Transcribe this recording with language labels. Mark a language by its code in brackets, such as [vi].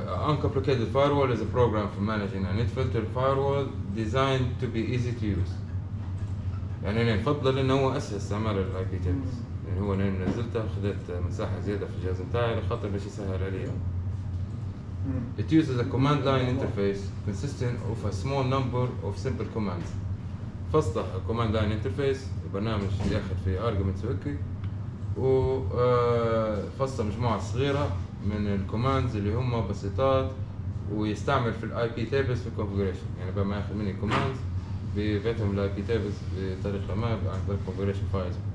[en] Uncomplicated firewall is a program for managing a net filter firewall designed to be easy to use. [ar] يعني أنا أفضل إنه هو أسهل استعمال الـ IP tables. يعني هو أنا نزلته خذت مساحة زيادة في الجهاز بتاعي لخاطر بشي سهل عليه. [en] It uses a command line interface consisting of a small number of simple commands. [ar] فصلح command line interface البرنامج ياخذ في arguments وهيك وفصل مجموعة صغيرة من الكوماندز اللي هم بسيطات ويستعمل في الاي بي تيبلز في الكونفيجريشن. يعني بما ياخذ مني كوماند بيفتهم الاي بي تيبلز بطريقه ما عن طريق الكونفيجريشن فايلز.